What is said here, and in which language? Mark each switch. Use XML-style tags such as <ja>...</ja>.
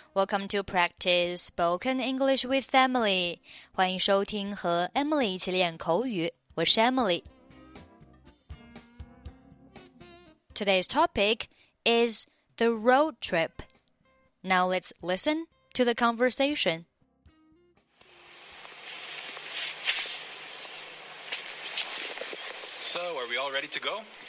<en>Welcome to Practice Spoken English with Emily.</en> <zh>欢迎收听和 Emily 一起练口语。我是 Emily.</zh> <en>Today's topic is the road trip. Now let's listen to the conversation. So, are we all ready to go?</en>